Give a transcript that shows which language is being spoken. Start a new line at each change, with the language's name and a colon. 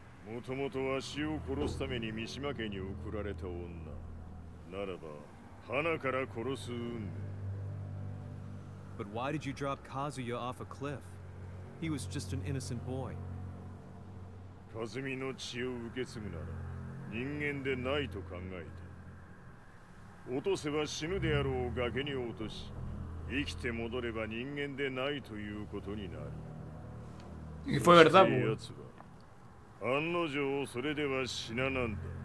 Japanese: もともとは死を殺すために三島家に送られた女。ならば、花から殺す運命。
English: But why did you drop Kazuya off a cliff? He was just an innocent boy.
Japanese: カズミの血を受け継ぐなら、人間でないと考えて。落とせば死ぬであろう崖に落とし。生きて戻れば人間でないということになる。そしてやつは案の定それでは死ななんだ。